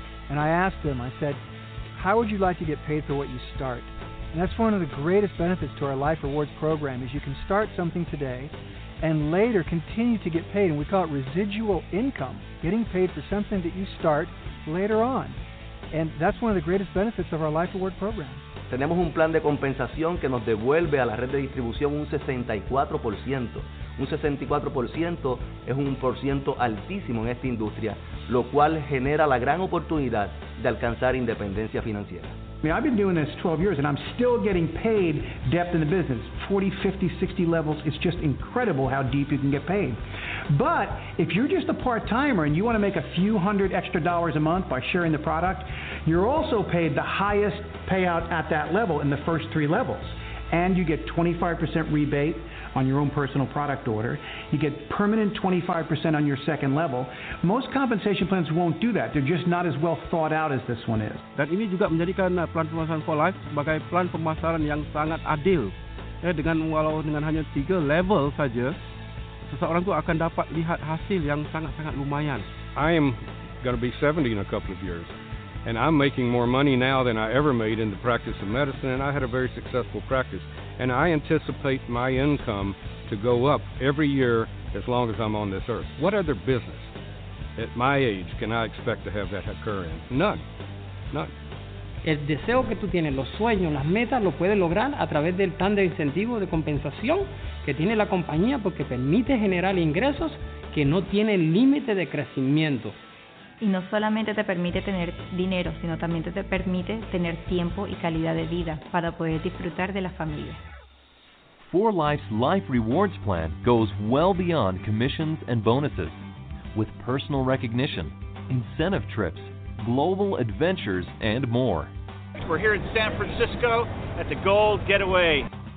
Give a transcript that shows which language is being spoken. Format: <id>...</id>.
<en>And I asked them, I said, how would you like to get paid for what you start? And that's one of the greatest benefits to our Life Rewards program, is you can start something today and later continue to get paid, and we call it residual income, getting paid for something that you start later on. And that's one of the greatest benefits of our Life Award program.</en> <es>Tenemos un plan de compensación que nos devuelve a la red de distribución un 64%. Un 64% es un porciento altísimo en esta industria, lo cual genera la gran oportunidad de alcanzar independencia financiera.</es> <en>I mean, I've been doing this 12 years and I'm still getting paid depth in the business, 40, 50, 60 levels. It's just incredible how deep you can get paid. But if you're just a part-timer and you want to make a few hundred extra dollars a month by sharing the product, you're also paid the highest payout at that level in the first 3 levels. And you get 25% rebate on your own personal product order. You get permanent 25% on your second level. Most compensation plans won't do that. They're just not as well thought out as this one is.</en> <ms>Dan ini juga menjadikan plan pemasaran 4Life sebagai plan pemasaran yang sangat adil. Dengan hanya 3 level saja, seseorang itu akan dapat lihat hasil yang sangat-sangat lumayan.</ms> <en>I am going to be 70 in a couple of years. And I'm making more money now than I ever made in the practice of medicine, and I had a very successful practice. And I anticipate my income to go up every year as long as I'm on this earth. What other business at my age can I expect to have that occur in? None. None.</en> <es>El deseo que tú tienes, los sueños, las metas, lo puedes lograr a través del plan de incentivo de compensación que tiene la compañía porque permite generar ingresos que no tienen límite de crecimiento. Y no solamente te permite tener dinero, sino también te permite tener tiempo y calidad de vida para poder disfrutar de la familia.</es> <en>4Life's Life Rewards Plan goes well beyond commissions and bonuses, with personal recognition, incentive trips, global adventures, and more. We're here in San Francisco at the Gold Getaway.</en>